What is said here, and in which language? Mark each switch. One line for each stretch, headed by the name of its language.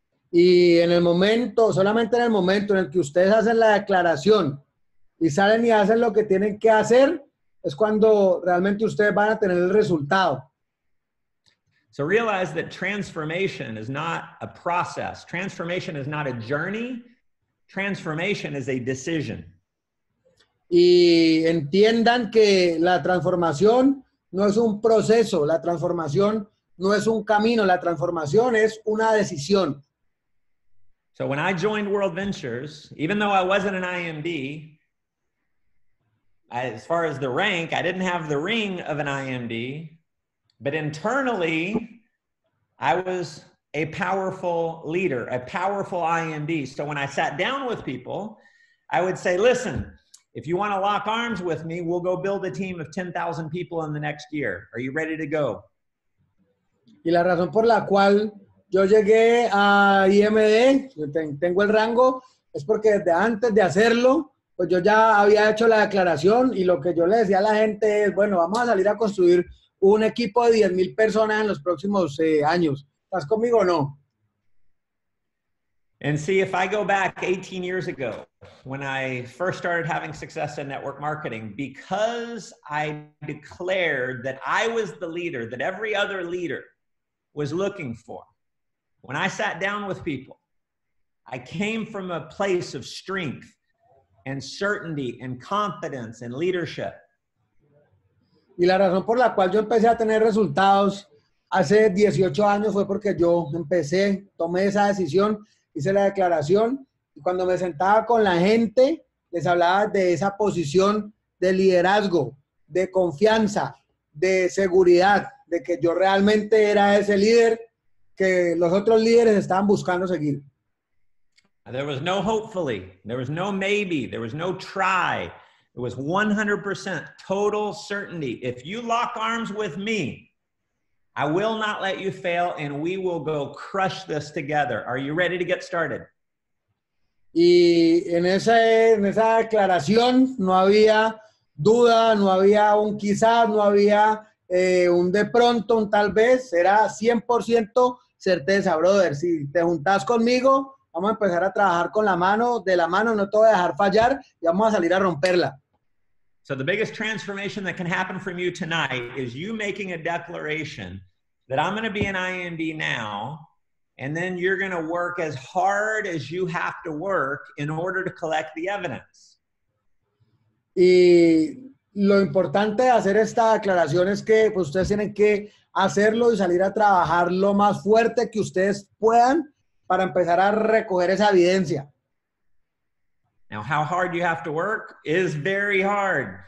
Spanish: Y en el momento, solamente en el momento en el que ustedes hacen la declaración y salen y hacen lo que tienen que hacer, es cuando realmente ustedes van a tener el resultado.
English: So realize that transformation is not a process. Transformation is not a journey. Transformation is a decision.
Spanish: Y entiendan que la transformación no es un proceso. La transformación no es un camino. La transformación es una decisión.
English: So when I joined World Ventures, even though I wasn't an IMD, as far as the rank, I didn't have the ring of an IMD, but internally, I was a powerful leader, a powerful IMD. So when I sat down with people, I would say, listen, If you want to lock arms with me, we'll go build a team of 10,000 people in the next year. Are you ready to go?
Spanish: Y la razón por la cual yo llegué a IMD, tengo el rango, es porque desde antes de hacerlo, pues yo ya había hecho la declaración y lo que yo le decía a la gente es, bueno, vamos a salir a construir un equipo de 10,000 personas en los próximos años. ¿Estás conmigo o no?
English: And see, if I go back 18 years ago, when I first started having success in network marketing, because I declared that I was the leader that every other leader was looking for, when I sat down with people, I came from a place of strength and certainty and confidence and leadership.
Spanish: Y la razón por la cual yo empecé a tener resultados hace 18 años fue porque yo empecé, tomé esa decisión, hice la declaración, y cuando me sentaba con la gente, les hablaba de esa posición de liderazgo, de confianza, de seguridad, de que yo realmente era ese líder que los otros líderes estaban buscando seguir.
English: There was no hopefully, there was no maybe, there was no try. It was 100% total certainty. If you lock arms with me, I will not let you fail and we will go crush this together. Are you ready to get started?
Spanish: Y en esa declaración no había duda, no había un quizás, no había un de pronto, un tal vez. Era 100% certeza, brother. Si te juntas conmigo, vamos a empezar a trabajar con la mano, de la mano, no te voy a dejar fallar y vamos a salir a romperla.
English: So the biggest transformation that can happen from you tonight is you making a declaration that I'm going to be an IMD now, and then you're going to work as hard as you have to work in order to collect the evidence.
Spanish: Y lo importante de hacer esta declaración es que pues, ustedes tienen que hacerlo y salir a trabajar lo más fuerte que ustedes puedan para empezar a recoger esa evidencia.
English: Now, how hard you have to work is very hard.